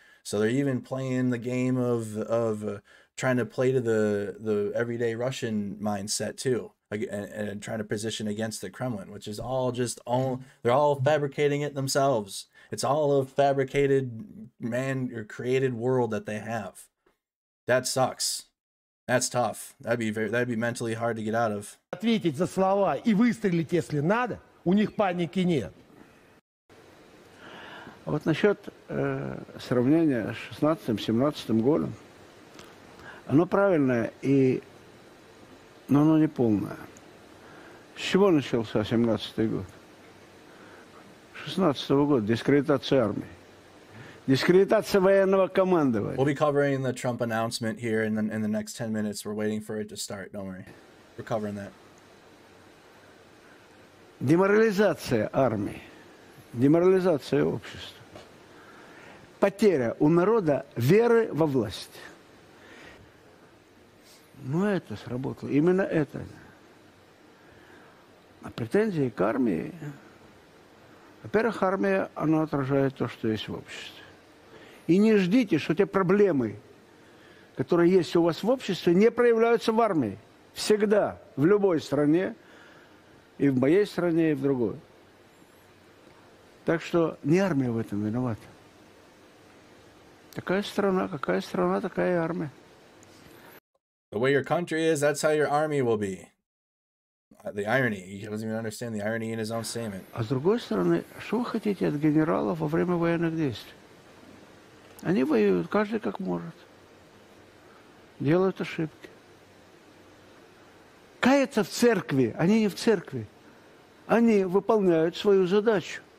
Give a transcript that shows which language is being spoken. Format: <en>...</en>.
<en>So they're even playing the game of trying to play to the everyday Russian mindset too. And trying to position against the Kremlin, which is all just they're all fabricating it themselves. It's all a fabricated man or created world that they have. That sucks. That's tough. That'd be mentally hard to get out of.</en> <ru>Ответить за слова и выстрелить, если надо, у них паники нет. А вот насчет сравнения с 16-17 годом, оно правильное и... Но оно не полное. С чего начался 17-й год? 16-го года дискредитация армии. Дискредитация военного командования.</ru> <en>We'll be covering the Trump announcement here in the next 10 minutes. We're waiting for it to start, don't worry. We're covering that.</en> <ru>Деморализация армии. Деморализация общества. Потеря у народа веры во власть. Ну, это сработало. Именно это. А претензии к армии... Во-первых, армия, она отражает то, что есть в обществе. И не ждите, что те проблемы, которые есть у вас в обществе, не проявляются в армии. Всегда, в любой стране, и в моей стране, и в другой. Так что не армия в этом виновата. Такая страна, такая армия.</ru> <en>The way your country is, that's how your army will be. The irony. He doesn't even understand the irony in his own statement.</en> <ru>А с другой стороны, что вы хотите от генералов во время военных действий? Они воюют, каждый как может. Делают ошибки. Каятся в церкви, они не в церкви. Они выполняют свою задачу.</ru>